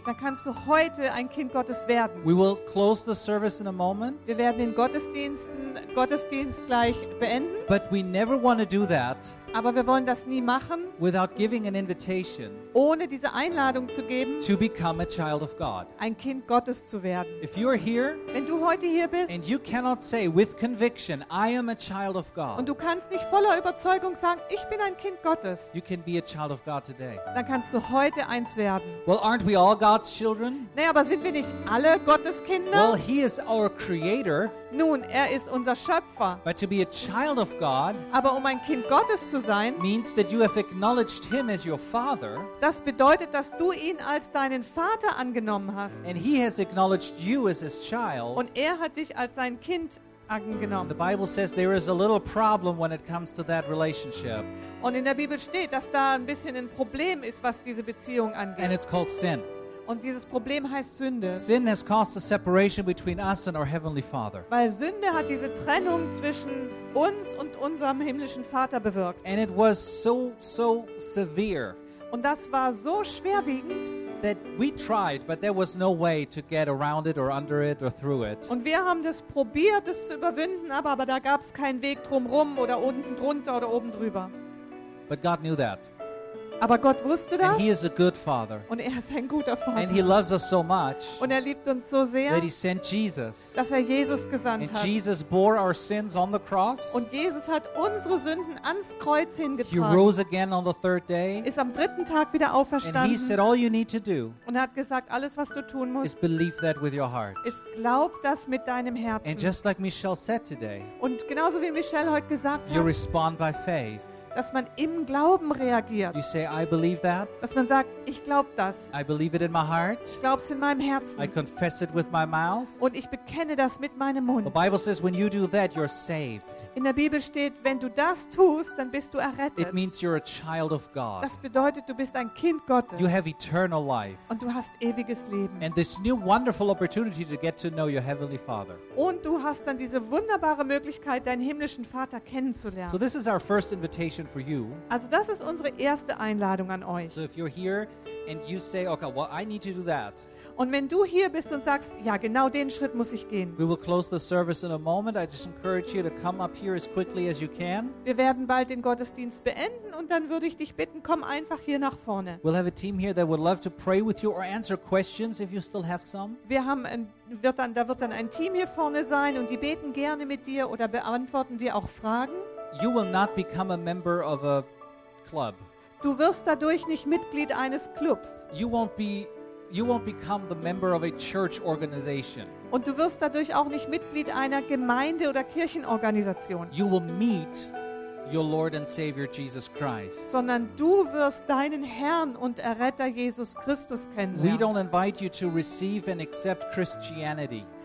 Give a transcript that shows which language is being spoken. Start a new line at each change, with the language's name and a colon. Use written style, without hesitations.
German: Dann kannst du heute ein Kind Gottes werden.
English: We will close the service in a moment.
German: Wir werden den Gottesdienst gleich beenden.
English: But we never want to do that.
German: Aber wir wollen das nie machen.
English: Without giving an invitation,
German: ohne diese Einladung zu geben,
English: to become a child of God,
German: ein Kind Gottes zu werden.
English: If you are here,
German: wenn du heute hier bist,
English: and you cannot say with conviction, I am a child of God,
German: und du kannst nicht voller Überzeugung sagen, ich bin ein Kind Gottes,
English: you can be a child of God today.
German: Dann kannst du heute eins werden.
English: Well, aren't we all God's children?
German: Nee, aber sind wir nicht alle Gottes Kinder?
English: Well, He is our Creator.
German: Nun, ist unser Schöpfer.
English: But to be a child of God,
German: aber um ein Kind Gottes zu sein,
English: means that you have acknowledged Him as your Father.
German: Das bedeutet, dass du ihn als deinen Vater angenommen hast.
English: And He has acknowledged you as His child.
German: Und hat dich als sein Kind angenommen.
English: The Bible says there is a little problem when it comes to that relationship.
German: Und in der Bibel steht, dass da ein bisschen ein Problem ist, was diese Beziehung angeht.
English: And it's called sin.
German: Und dieses Problem heißt Sünde.
English: Sin has caused a separation between us and our heavenly Father.
German: Weil Sünde hat diese Trennung zwischen uns und unserem himmlischen Vater bewirkt.
English: And it was so severe.
German: Und das war so schwerwiegend.
English: That we tried, but there was no way to get around it or under it or through it.
German: Und wir haben das probiert, das zu überwinden, aber da gab's keinen Weg drumherum oder unten drunter oder oben drüber.
English: But God knew that.
German: Aber Gott wusste das.
English: And He is a good Father.
German: Und ist ein guter Vater.
English: And He loves us so much.
German: Und liebt uns so sehr.
English: That He sent Jesus.
German: Dass Jesus gesandt hat.
English: And Jesus bore our sins on the cross.
German: Und Jesus hat unsere Sünden ans Kreuz hingetragen.
English: He rose again on the third day.
German: Ist am dritten Tag wieder auferstanden.
English: And He said, all you need to do.
German: Und hat gesagt, alles was du tun musst.
English: Is believe that with your heart.
German: Ist glaub das mit deinem Herzen.
English: And just like Michelle said today.
German: Und genauso wie Michelle heute gesagt hat.
English: You respond by faith.
German: Dass man im Glauben reagiert.
English: You say, I believe that.
German: Dass man sagt, ich glaube das.
English: I believe it in my heart.
German: Ich glaube es in meinem Herzen.
English: I confess it with my mouth.
German: Und ich bekenne das mit meinem Mund.
English: The Bible says, when you do that, you're saved.
German: In der Bibel steht, wenn du das tust, dann bist du errettet.
English: It means you're a child of God.
German: Das bedeutet, du bist ein Kind Gottes.
English: You have eternal life.
German: Und du hast ewiges Leben.
English: And this new wonderful opportunity to get to know your heavenly Father.
German: Und du hast dann diese wunderbare Möglichkeit, deinen himmlischen Vater kennenzulernen.
English: So this is our first invitation for you.
German: Also das ist unsere erste Einladung an euch.
English: So if you're here and you say, okay, well, I need to do that.
German: Und wenn du hier bist und sagst, ja, genau den Schritt muss ich gehen.
English: We will close the service in a moment. I just encourage you to come up here as quickly as you can.
German: Wir werden bald den Gottesdienst beenden und dann würde ich dich bitten, komm einfach hier nach vorne.
English: We'll have a team here that would love to pray with you or answer questions if you still have some.
German: Da wird dann ein Team hier vorne sein und die beten gerne mit dir oder beantworten dir auch Fragen.
English: You will not become a member of a club.
German: Du wirst dadurch nicht Mitglied eines Clubs.
English: You won't become the member of a church organization.
German: Und du wirst dadurch auch nicht Mitglied einer Gemeinde oder Kirchenorganisation.
English: You will meet your Lord and Savior Jesus Christ.
German: Sondern du wirst deinen Herrn und Erretter Jesus Christus kennenlernen.
English: We don't invite you to receive and accept Christianity.